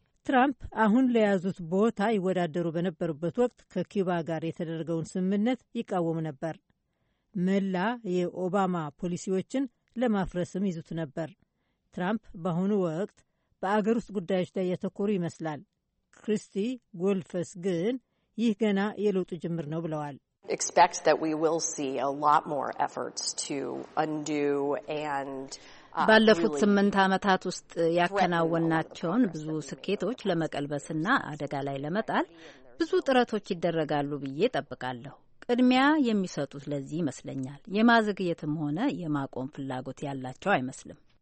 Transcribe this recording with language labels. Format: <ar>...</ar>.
<am>ትራምፕ አሁን ለያዙት ቦታ ይወዳደሩ በነበሩበት ወቅት ከኩባ ጋር የተደረገውን ስምምነት ይቃወሙ ነበር። መላ የኦባማ ፖሊሲዎችን ለማፍረስም ይዙት ነበር። ትራምፕ በአሁኑ ወቅት በአገር ውስጥ ጉዳዮች ላይ ያተኮሩ ይመስላል። ክሪስቲ ጎልፈስ ግን ይህ ገና የለውጡ ጅምር ነው ብለዋል።</am> <en>Expect that we will see a lot more efforts to undo and</en> <am>ባለፉት 8 አመታት ውስጥ ያከናወናቸውን ብዙ ስኬቶች ለመቀልበስና አደጋ ላይ ለመጣል ብዙ ጥረቶች ይደረጋሉ ብዬ ተጠብቃለሁ። ቅድሚያ የሚሰጡት ለዚህ መስለኛል። የማዝግየትም ሆነ የማቆም ፍላጎት ያላቸው አይመስልም።</am>